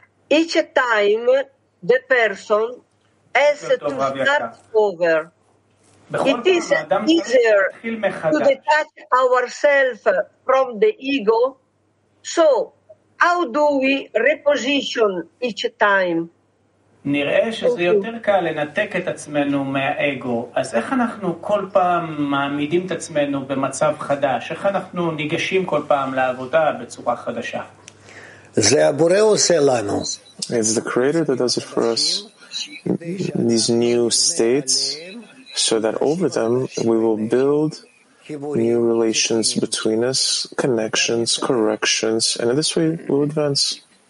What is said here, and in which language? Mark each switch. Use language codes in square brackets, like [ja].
[en] Each time the person has to start over. It is easier to detach ourselves from the ego. So, how do we reposition each time? [he] נראה שזה יותר קל לנתק את עצמנו מהאגו. אז איך אנחנו כל פעם מעמידים את עצמנו במצב חדש? איך אנחנו ניגשים כל פעם לעבודה בצורה חדשה? זה הבורא עושה לנו. [en] It's the Creator that does it for us, these new states, so that over them we will build new relations between us, connections, corrections, and in this way we will advance.